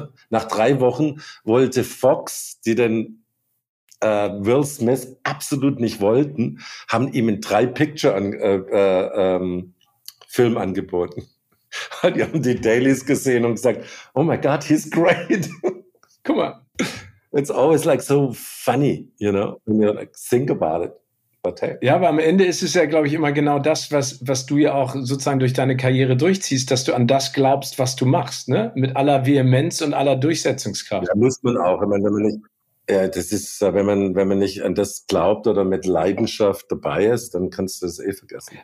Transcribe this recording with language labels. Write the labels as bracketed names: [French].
[German] Nach 3 Wochen wollte Fox, die den Will Smith absolut nicht wollten, haben ihm einen 3-Picture-Film angeboten. Die haben die Dailies gesehen und gesagt, [English] oh my God, he's great. [German] Guck mal. [English] It's always like so funny, you know, when you like think about it. But hey. [German] Ja, aber am Ende ist es ja, glaube ich, immer genau das, was du ja auch sozusagen durch deine Karriere durchziehst, dass du an das glaubst, was du machst, ne? Mit aller Vehemenz und aller Durchsetzungskraft. Ja, muss man auch. Ich meine, wenn man nicht, ja, das ist, wenn man nicht an das glaubt oder mit Leidenschaft dabei ist, dann kannst du das eh vergessen.